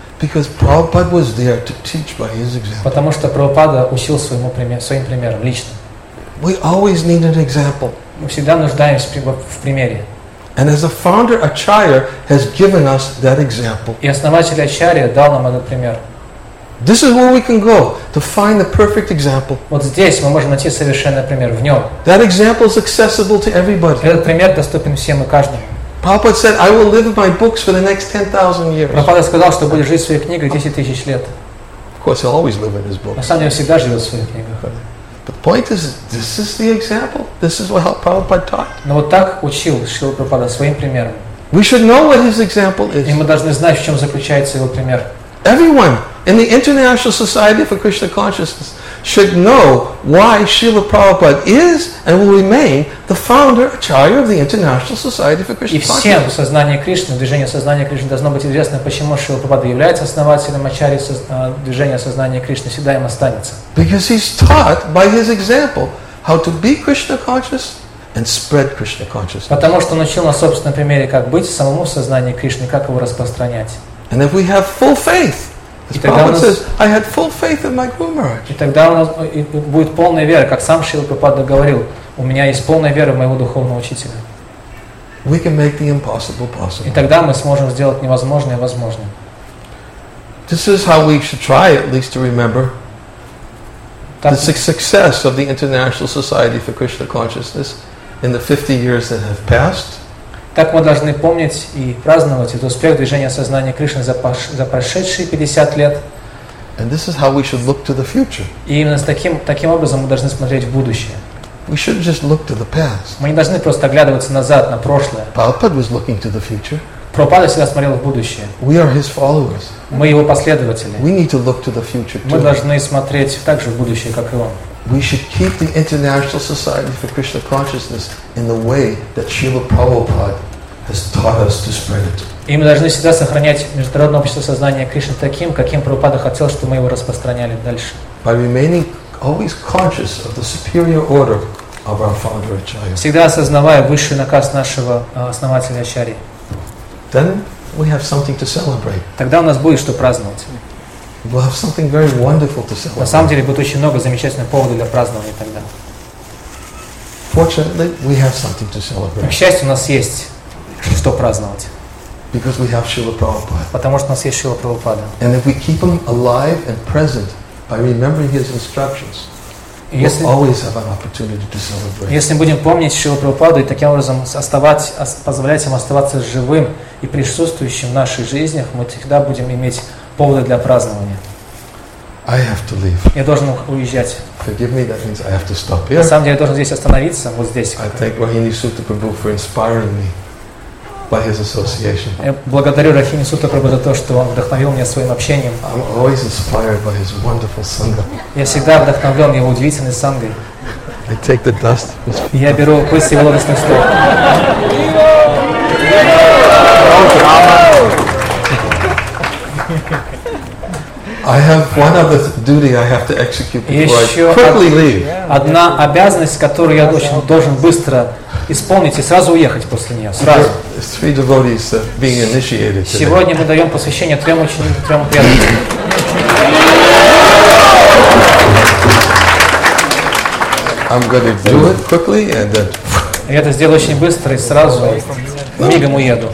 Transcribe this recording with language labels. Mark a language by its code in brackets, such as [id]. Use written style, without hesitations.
[en] Because Prabhupada was there to teach by his example. [ru] Потому что Прабхупада учил своим примером лично. [en] We always need an example. [ru] Мы всегда нуждаемся в примере. [en] And as the founder Acharya has given us that example. [ru] И основатель Ачарья дал нам этот пример. [en] This is where we can go to find the perfect example. [ru] Вот здесь мы можем найти совершенный пример в нем. [en] That example is accessible to everybody. [ru] Этот пример доступен всем и каждому. [en] Prabhupada said, "I will live in my books for the next 10,000 years." [ru] Прабхупада сказал, что будет жить в своих книгах 10,000 лет. [en] Of course, he'll always live in his books. [ru] На самом деле, всегда живет в своих книгах. [en] But the point is, this is the example. This is how Prabhupada taught. [ru] Но вот так учил Шрила Прабхупада своим примером. [en] We should know what his example is. [ru] И мы должны знать, в чем заключается его пример. [en] Everyone in the International Society for Krishna Consciousness should know why Srila Prabhupada is and will remain the founder, acharya of the International Society for Krishna Consciousness. [ru] И всем в сознании Кришны, в движении сознания Кришны, должно быть известно, почему Шрила Прабхупада является основателем ачарьи движения сознания Кришны, всегда им останется. [en] Because he's taught by his example how to be Krishna conscious and spread Krishna consciousness. [ru] Потому что он учил на собственном примере, как быть самому в сознании Кришны, как его распространять. [en] And if we have full faith, as Prabhupada says, I had full faith in my Guru Maharaj. [ru] И тогда у нас будет полная вера, как сам Шрила Прабхупада говорил, у меня есть полная вера в моего духовного учителя. [en] We can make the impossible possible. [ru] И тогда мы сможем сделать невозможное возможным. [en] This is how we should try, at least, to remember the success of the International Society for Krishna Consciousness in the 50 years that have passed. [ru] Так мы должны помнить и праздновать этот успех движения сознания Кришны за прошедшие 50 лет. [en] And this is how we should look to the future. [ru] И именно с таким образом мы должны смотреть в будущее. [en] We shouldn't just look to the past. [ru] Мы не должны просто оглядываться назад, на прошлое. [en] Prabhupada was looking to the future. [ru] Прабхупада всегда смотрел в будущее. [en] We are his followers. [ru] Мы его последователи. [en] We need to look to the future too. [ru] Мы должны смотреть так же в будущее, как и он. [en] We should keep the International Society for Krishna Consciousness in the way that Srila Prabhupada has taught us to spread it. [ru] И мы должны всегда сохранять международное общество сознания Кришны таким, каким Прабхупада хотел, чтобы мы его распространяли дальше. [en] By remaining always conscious of the superior order of our founder Acharya. [ru] Всегда осознавая высший наказ нашего основателя Ачарьи. [en] Then we have something to celebrate. [ru] Тогда у нас будет что праздновать. [en] We'll have something very wonderful to celebrate. [ru] На самом деле будет очень много замечательных поводов для празднования тогда. [en] Fortunately, we have something to celebrate. [ru] К счастью, у нас есть что праздновать. [en] Because we have Srila Prabhupada. [ru] Потому что у нас есть Шрила Прабхупада. [en] And if we keep him alive and present by remembering his instructions, we'll always have an opportunity to celebrate. [ru] Если будем помнить Шрилу Прабхупаду и таким образом позволять ему оставаться живым и присутствующим в наших жизнях, мы всегда будем иметь поводы для празднования. [en] I have to leave. [ru] Я должен уезжать. [en] forgive me, that means I have to stop here. [ru] На самом деле, я должен здесь остановиться, вот здесь. [en] I thank Rohini Sutta Prabhu for inspiring me by his association. [ru] Я благодарю Рахини Сутта Прабху за то, что он вдохновил меня своим общением. [en] I'm always inspired by his wonderful sangha. [ru] Я всегда вдохновлен его удивительной сангой. [en] I take the dust. [ru] Я беру пыль его лотосных стоп. [en] I have one other duty I have to execute before I quickly leave. [ru] Одна обязанность, которую я должен быстро исполнить и сразу уехать после нее. Сразу. [en] Three devotees are being initiated today. [ru] Сегодня мы даем посвящение трем ученикам, трем преданным. [en] I'm going to do it quickly and then. [ru] Я это сделаю очень быстро и сразу мигом уеду.